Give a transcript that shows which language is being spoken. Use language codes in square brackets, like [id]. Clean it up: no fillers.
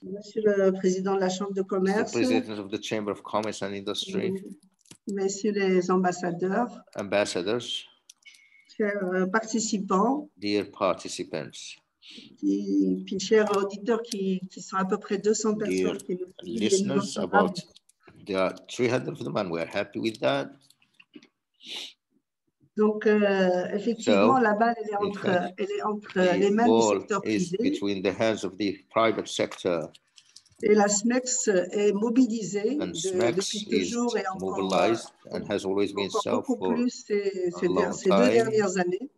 [fr] Monsieur le Président de la Chambre de Commerce, [en] President of the Chamber of Commerce and Industry, [fr] Messieurs les ambassadeurs, [en] Ambassadors, [fr] chers participants, [en] dear participants, [fr] puis chers auditeurs qui sont à peu près 200 personnes. [en] Dear listeners, about there are 300 of them and we are happy with that. [fr] Donc, effectivement, la balle elle est entre les mains du secteur privé. [en] Between the hands of the private sector. [fr] Et la SMEX est mobilisée depuis toujours et encore beaucoup plus ces deux dernières années.